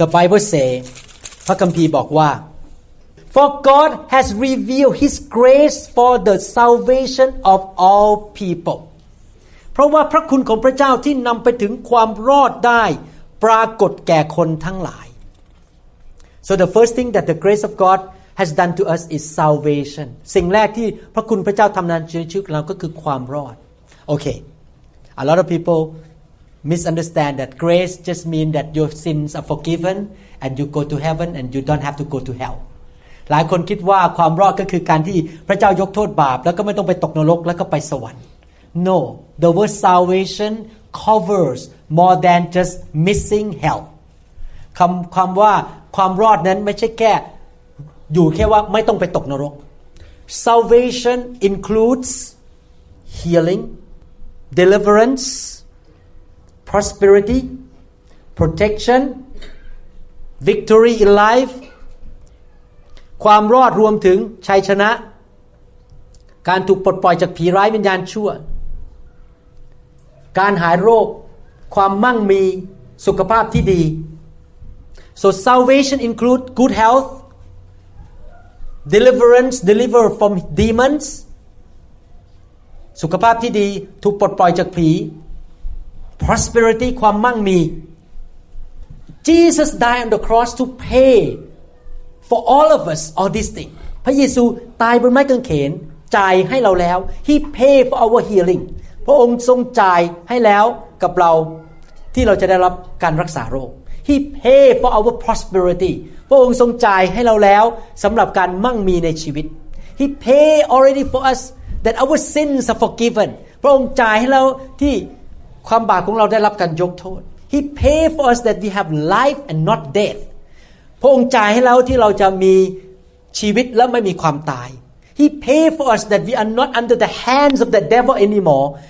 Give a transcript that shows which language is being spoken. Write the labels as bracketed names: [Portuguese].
[English] The Bible say [Thai] พระคัมภีร์บอกว่า [English] For God has revealed His grace for the salvation of all people. [Thai] เพราะว่าพระคุณของพระเจ้าที่นำไปถึงความรอดได้ปรากฏแก่คนทั้งหลาย [English] So the first thing that the grace of God has done to us is salvation. [Thai] สิ่งแรกที่พระคุณพระเจ้าทำนั้นชื่อเราก็คือความรอด [English] Okay. A lot of people misunderstand that grace just mean that your sins are forgiven and you go to heaven and you don't have to go to hell. [Thai] หลายคนคิดว่าความรอดก็คือการที่พระเจ้ายกโทษบาปแล้วก็ไม่ต้องไปตกนรกแล้วก็ไปสวรรค์ [English] No the word salvation covers more than just missing hell [Thai] คำว่าความรอดนั้นไม่ใช่แค่อยู่แค่ว่าไม่ต้องไปตกนรก [English] Salvation includes healing deliverance prosperity protection victory in life [Thai] ความรอดรวมถึงชัยชนะการถูกปลดปล่อยจากผีร้ายวิญญาณชั่วการหายโรคความมั่งมีสุขภาพที่ดี [English] So salvation includes good health deliverance deliver from demons [Thai] สุขภาพที่ดีถูกปลดปล่อยจากผี [English] prosperity ความมั่งมี Jesus died on the cross to payFor all of us, all these things. [Thai] พระเยซูตายบนไม้กางเขนจ่ายให้เราแล้ว [English] He paid for our healing. [Thai] พระองค์ทรงจ่ายให้แล้วกับเราที่เราจะได้รับการรักษาโรค [English] He paid for our prosperity. [Thai] พระองค์ทรงจ่ายให้เราแล้วสำหรับการมั่งมีในชีวิต [English] He paid already for us that our sins are forgiven. [Thai] พระองค์จ่ายให้เราที่ความบาปของเราได้รับการยกโทษ [English] He paid for us that we have life and not death. [Thai] พระองค์จ่ายให้เราที่เราจะมีชีวิตและไม่มีความตาย [English] He paid for us that we are not under the hands of the devil anymore.